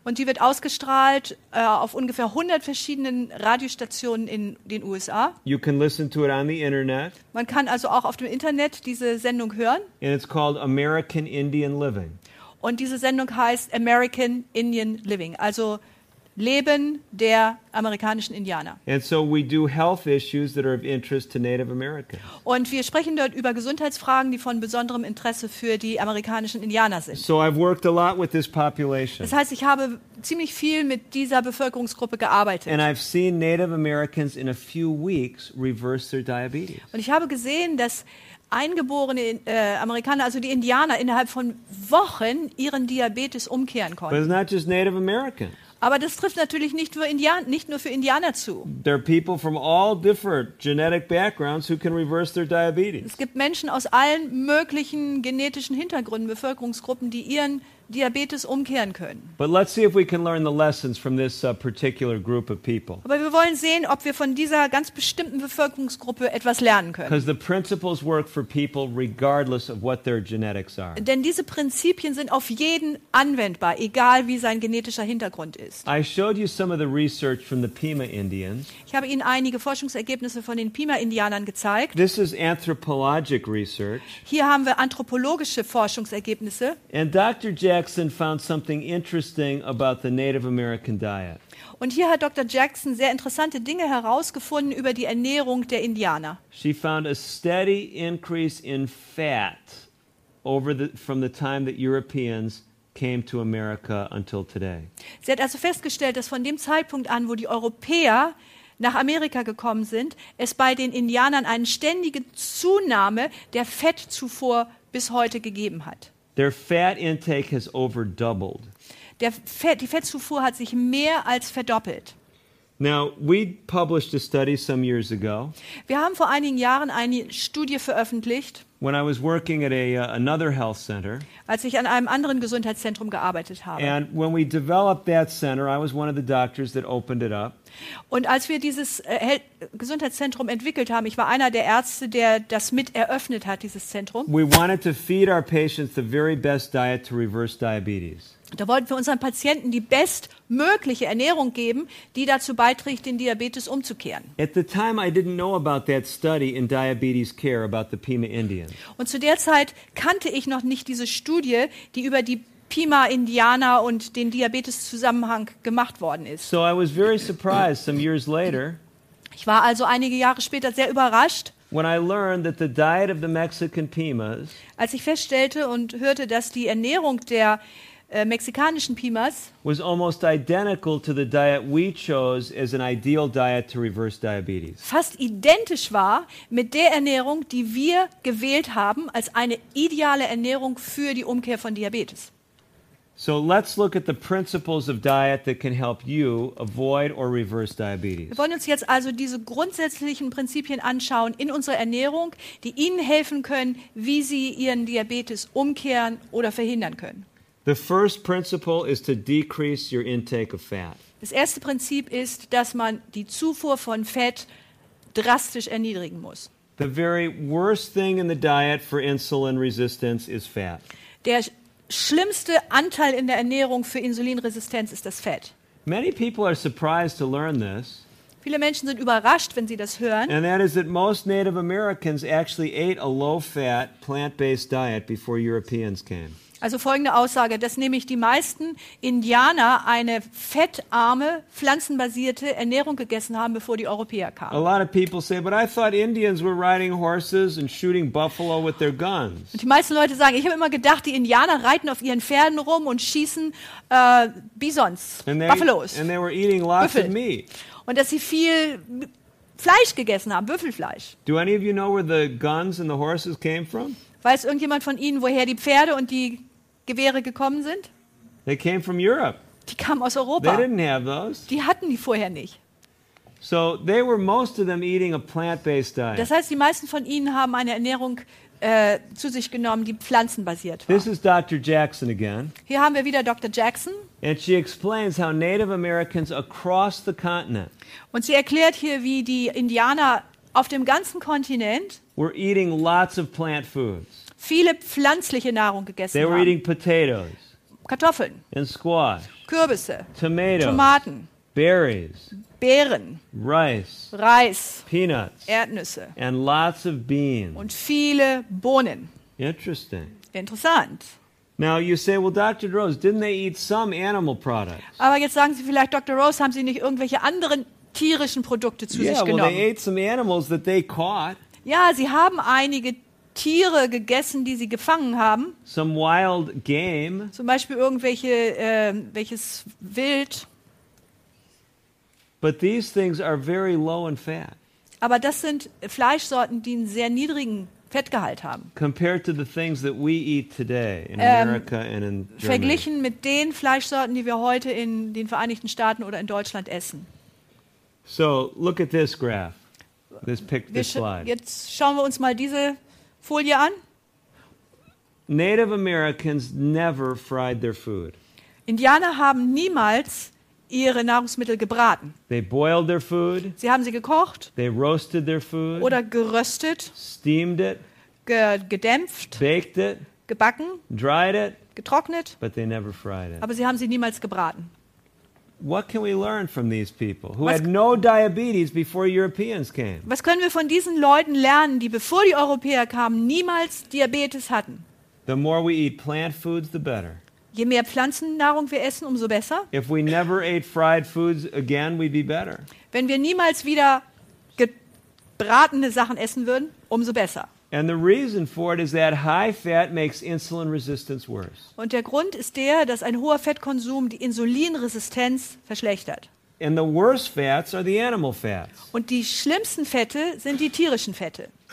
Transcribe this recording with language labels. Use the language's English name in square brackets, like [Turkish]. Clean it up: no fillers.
[German] Und die wird ausgestrahlt auf ungefähr 100 verschiedenen Radiostationen in den USA. [English] You can listen to it on the internet. [German] Man kann also auch auf dem Internet diese Sendung hören. [English] And it's called American Indian Living. [German] Und diese Sendung heißt American Indian Living, also Leben der amerikanischen Indianer. [English] And so we do health issues that are of interest to Native Americans. [German] Und wir sprechen dort über Gesundheitsfragen, die von besonderem Interesse für die amerikanischen Indianer sind. [English] So I've worked a lot with this population. [German] Das heißt, ich habe ziemlich viel mit dieser Bevölkerungsgruppe gearbeitet. [English] And I've seen Native Americans in a few weeks reverse their diabetes. [German] Und ich habe gesehen, dass eingeborene Amerikaner, also die Indianer, innerhalb von Wochen ihren Diabetes umkehren konnten. [English] But it's not just Native Americans. [German] Aber das trifft natürlich nicht nur für Indianer zu. [English] There are people from all different genetic backgrounds who can reverse their diabetes. [German] Es gibt Menschen aus allen möglichen genetischen Hintergründen, Bevölkerungsgruppen, die ihren Diabetes umkehren können. [English] But let's see if we can learn the lessons from this particular group of people. [German] Aber wir wollen sehen, ob wir von dieser ganz bestimmten Bevölkerungsgruppe etwas lernen können. [English] Because the principles work for people regardless of what their genetics are. [German] Denn diese Prinzipien sind auf jeden anwendbar, egal wie sein genetischer Hintergrund ist. [English] I showed you some of the research from the Pima Indians. [German] Ich habe Ihnen einige Forschungsergebnisse von den Pima Indianern gezeigt. [English] This is anthropologic research. [German] Hier haben wir anthropologische Forschungsergebnisse. [English] And Dr. Jackson found something interesting about the Native American diet. [German] Und hier hat Dr. Jackson sehr interessante Dinge herausgefunden über die Ernährung der Indianer. [English] She found a steady increase in fat from the time that Europeans came to America until today. [German] Sie hat also festgestellt, dass von dem Zeitpunkt an, wo die Europäer nach Amerika gekommen sind, es bei den Indianern eine ständige Zunahme der Fettzufuhr bis heute gegeben hat. [English] Their fat intake has over doubled. [German] Die Fettzufuhr hat sich mehr als verdoppelt. [English] Now, we published a study some years ago. [German] Wir haben vor einigen Jahren eine Studie veröffentlicht. [English] When I was working at another health center. [German] Als ich an einem anderen Gesundheitszentrum gearbeitet habe. [English] And when we developed that center, I was one of the doctors that opened it up. [German] Und als wir dieses Gesundheitszentrum entwickelt haben, ich war einer der Ärzte, der das mit eröffnet hat, dieses Zentrum. [English] We wanted to feed our patients the very best diet to reverse diabetes. [German] Da wollten wir unseren Patienten die bestmögliche Ernährung geben, die dazu beiträgt, den Diabetes umzukehren. [English] At the time I didn't know about that study in diabetes care about the Pima Indians. [German] Und zu der Zeit kannte ich noch nicht diese Studie, die über die Pima-Indianer und den Diabetes-Zusammenhang gemacht worden ist. [English] So I was very surprised some years later, [German] ich war also einige Jahre später sehr überrascht, [English] when I learned that the diet of the Mexican Pimas, [German] als ich feststellte und hörte, dass die Ernährung der mexikanischen Pimas [English] was almost identical to the diet we chose as an ideal diet to reverse diabetes. [German] Fast identisch war mit der Ernährung, die wir gewählt haben als eine ideale Ernährung für die Umkehr von Diabetes. [English] So let's look at the principles of diet that can help you avoid or reverse diabetes. [German] Wir wollen uns jetzt also diese grundsätzlichen Prinzipien anschauen in unserer Ernährung, die Ihnen helfen können, wie Sie Ihren Diabetes umkehren oder verhindern können. [English] The first principle is to decrease your intake of fat. [German] Das erste Prinzip ist, dass man die Zufuhr von Fett drastisch erniedrigen muss. [English] The very worst thing in the diet for insulin resistance is fat. [German] Der schlimmste Anteil in der Ernährung für Insulinresistenz ist das Fett. [English] Many people are surprised to learn this. [German] Viele Menschen sind überrascht, wenn sie das hören. [English] And that is that most Native Americans actually ate a low-fat, plant-based diet before Europeans came. [German] Also folgende Aussage, dass nämlich die meisten Indianer eine fettarme, pflanzenbasierte Ernährung gegessen haben, bevor die Europäer kamen. [English] A lot of people say, but I thought Indians were riding horses and shooting buffalo with their guns. [German] Und die meisten Leute sagen, ich habe immer gedacht, die Indianer reiten auf ihren Pferden rum und schießen Bisons, Buffalos. [English] And they were eating lots of meat. [German] Und dass sie viel Fleisch gegessen haben, Büffelfleisch. [English] Do any of you know where the guns and the horses came from? [German] Weiß irgendjemand von Ihnen, woher die Pferde und die Gewehre gekommen sind? [English] They came from Europe. [German] Die kamen aus Europa. [English] They didn't have those. [German] Die hatten die vorher nicht. [English] So they were most of them eating a plant-based diet. [German] Das heißt, die meisten von Ihnen haben eine Ernährung zu sich genommen, die pflanzenbasiert war. [English] This is Dr. Jackson again. [German] Hier haben wir wieder Dr. Jackson. [English] And she explains how Native Americans across the continent. [German] Und sie erklärt hier, wie die Indianer auf dem ganzen Kontinent [English] were eating lots of plant foods. [German] Viele pflanzliche Nahrung gegessen haben. [English] They were eating potatoes. [German] Kartoffeln. [English] And squash. [German] Kürbisse. [English] Tomatoes. [German] Tomaten. [English] Berries. [German] Beeren. [English] Rice. [German] Reis. [English] Peanuts. [German] Erdnüsse. [English] And lots of beans. [German] Und viele Bohnen. [English] Interesting. [German] Interessant. [English] Now you say, well, Dr. Rose, didn't they eat some animal products? [German] Aber jetzt sagen Sie vielleicht, Dr. Rose, haben Sie nicht irgendwelche anderen tierischen Produkte zu sich genommen? [English] Yeah, well, they ate some animals that they caught. [German] Ja, sie haben einige Tiere gegessen, die sie gefangen haben. [English] Some wild game. [German] Zum Beispiel irgendwelche, welches Wild. [English] But these things are very low in fat. [German] Aber das sind Fleischsorten, die einen sehr niedrigen Fettgehalt haben. [English] Compared to the things that we eat today in America and in Germany. [German] Verglichen mit den Fleischsorten, die wir heute in den Vereinigten Staaten oder in Deutschland essen. [English] So, look at this graph. This slide. [German] Jetzt schauen wir uns mal diese Folie an. [English] Native Americans never fried their food. [German] Indianer haben niemals ihre Nahrungsmittel gebraten. [English] They boiled their food. [German] Sie haben sie gekocht. [English] They roasted their food. [German] Oder geröstet. [English] Steamed it. [German] Gedämpft. [English] Baked it. [German] Gebacken. [English] Dried it. [German] Getrocknet. [English] But they never fried it. [German] Aber sie haben sie niemals gebraten. [English] What can we learn from these people who had no diabetes before Europeans came? [German] Was können wir von diesen Leuten lernen, die bevor die Europäer kamen niemals Diabetes hatten? [English] The more we eat plant foods, the better. [German] Je mehr Pflanzennahrung wir essen, umso besser. [English] If we never ate fried foods again, we'd be better. [German] Wenn wir niemals wieder gebratene Sachen essen würden, umso besser. [English] And the reason for it is that high fat makes insulin resistance worse. [German] Und der Grund ist der, dass ein hoher Fettkonsum die Insulinresistenz verschlechtert. [English] And the worst fats are the animal fats. [German] Und die schlimmsten Fette sind die tierischen Fette.